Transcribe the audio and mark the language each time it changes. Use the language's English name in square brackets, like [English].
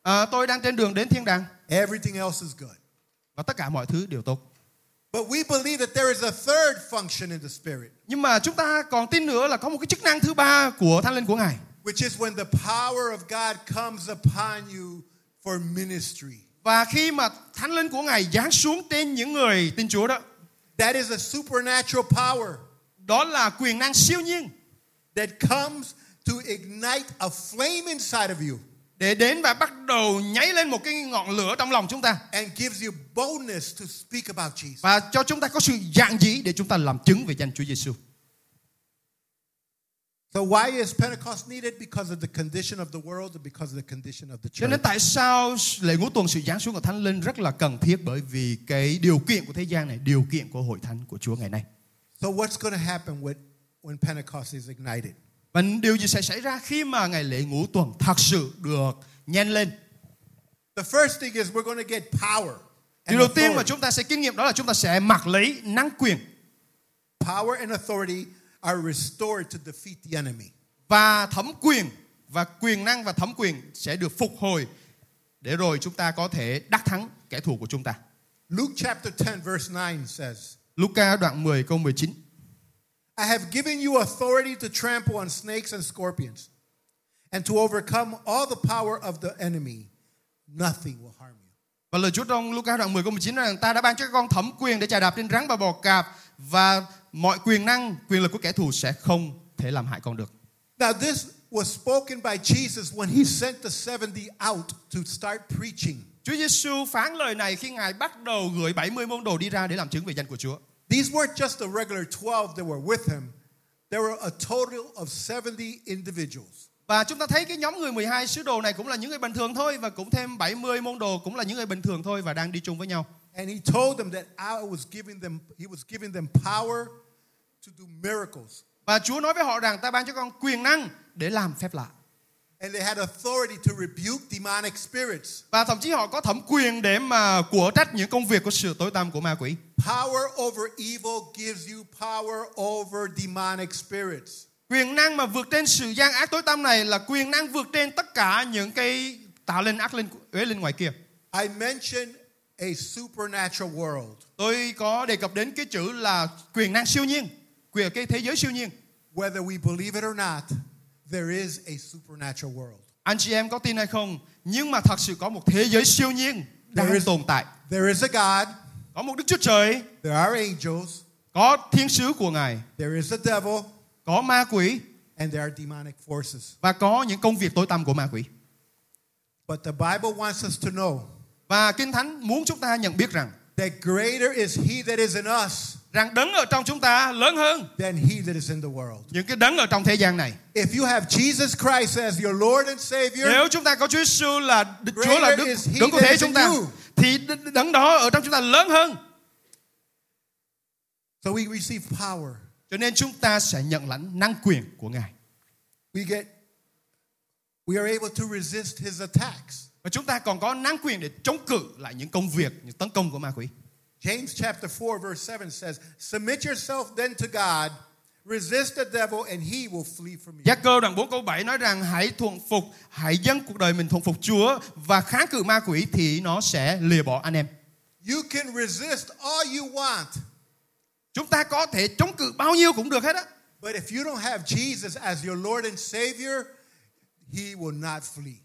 [Vietnamese] Tôi đang trên đường đến thiên đàng. [English] Everything else is good. [Vietnamese] Và tất cả mọi thứ đều tốt. [English] But we believe that there is a third function in the Spirit. [Vietnamese] Nhưng mà chúng ta còn tin nữa là có một cái chức năng thứ ba của Thánh Linh của Ngài. [English] Which is when the power of God comes upon you for ministry. [Vietnamese] Và khi mà Thánh Linh của Ngài giáng xuống trên những người tin Chúa đó. [English] That is a supernatural power. [Vietnamese] Đó là quyền năng siêu nhiên. [English] That comes to ignite a flame inside of you. [Vietnamese] Để đến và bắt đầu nháy lên một cái ngọn lửa trong lòng chúng ta. [English] And gives you boldness to speak about Jesus. [Vietnamese] Và cho chúng ta có sự dạn dĩ để chúng ta làm chứng về danh Chúa Giêsu. [English] So why is Pentecost needed? Because of the condition of the world and because of the condition of the church. [Vietnamese] Cho nên tại sao lễ ngũ tuần sự giáng xuống của Thánh Linh rất là cần thiết, bởi vì cái điều kiện của thế gian này, điều kiện của hội thánh của Chúa ngày nay. [English] So what's going to happen when Pentecost is ignited? [Vietnamese] Và điều gì sẽ xảy ra khi mà ngày lễ ngũ tuần thật sự được nhen lên? [English] The first thing is we're going to get power. [Vietnamese] Điều đầu tiên mà chúng ta sẽ kinh nghiệm đó là chúng ta sẽ mặc lấy năng quyền. [English] Power and authority are restored to defeat the enemy. [Vietnamese] Và thẩm quyền, và quyền năng và thẩm quyền sẽ được phục hồi để rồi chúng ta có thể đắc thắng kẻ thù của chúng ta. [English] Luke chapter 10 verse 9 says. [Vietnamese] Luca đoạn 10 câu 19. [English] I have given you authority to trample on snakes and scorpions and to overcome all the power of the enemy. Nothing will harm you. [Vietnamese] Và lời Chúa trong Luca đoạn 10 câu 19 nói rằng ta đã ban cho các con thẩm quyền để chà đạp trên rắn và bò cạp, và mọi quyền năng, quyền lực của kẻ thù sẽ không thể làm hại con được. [English] Now this was spoken by Jesus when he sent the 70 out to start preaching. [Vietnamese] Chúa Giêsu phán lời này khi Ngài bắt đầu gửi 70 môn đồ đi ra để làm chứng về danh của Chúa. [English] These weren't just the regular 12 that were with him. There were a total of 70 individuals. [Vietnamese] Và chúng ta thấy cái nhóm người 12 sứ đồ này cũng là những người bình thường thôi, và cũng thêm 70 môn đồ cũng là những người bình thường thôi và đang đi chung với nhau. [English] And he told them that he was giving them power to do miracles. [Vietnamese] Và Chúa nói với họ rằng ta ban cho con quyền năng để làm phép lạ. [English] And they had authority to rebuke demonic spirits. [Vietnamese] Và thậm chí họ có thẩm quyền để mà của trách những công việc của sự tối tăm của ma quỷ. [English] Power over evil gives you power over demonic spirits. [Vietnamese] Quyền năng mà vượt trên sự gian ác tối tăm này là quyền năng vượt trên tất cả những cái tà linh, ác linh, uế linh ngoài kia. [English] I mentioned a supernatural world. [Vietnamese] Tôi có đề cập đến cái chữ là quyền năng siêu nhiên, quyền cái thế giới siêu nhiên. [English] Whether we believe it or not, there is a supernatural world. [Vietnamese] Anh chị em có tin hay không, nhưng mà thật sự có một thế giới siêu nhiên đang tồn tại. [English] There is a God. [Vietnamese] Có một Đức Chúa Trời. [English] There are angels. [Vietnamese] Có thiên sứ của Ngài. [English] There is a devil. [Vietnamese] Có ma quỷ. [English] And there are demonic forces. [Vietnamese] Và có những công việc tối tăm của ma quỷ. [English] But the Bible wants us to know. [Vietnamese] Và Kinh Thánh muốn chúng ta nhận biết rằng [English] that greater is he that is in us. [Vietnamese] Rằng đấng ở trong chúng ta lớn hơn [English] than he that is in the world. [Vietnamese] Những cái đấng ở trong thế gian này. [English] If you have Jesus Christ as your Lord and Savior. [Vietnamese] Nếu chúng ta có Chúa Giêsu là Chúa là Đức đấng của thế chúng ta, thì đấng đó ở trong chúng ta lớn hơn. [English] So we receive power. [Vietnamese] Cho nên chúng ta sẽ nhận lãnh năng quyền của Ngài. [English] We are able to resist his attacks. [Vietnamese] Và chúng ta còn có năng quyền để chống cự lại những công việc, những tấn công của ma quỷ. [English] James chapter 4 verse 7 says, submit yourself then to God, resist the devil and he will flee from you. [Vietnamese] Gia-cơ đoạn 4 câu 7 nói rằng hãy thuận phục, hãy dâng cuộc đời mình thuận phục Chúa và kháng cự ma quỷ thì nó sẽ lìa bỏ anh em. [English] You can resist all you want. [Vietnamese] Chúng ta có thể chống cự bao nhiêu cũng được hết á. [English] But if you don't have Jesus as your Lord and Savior, he will not flee.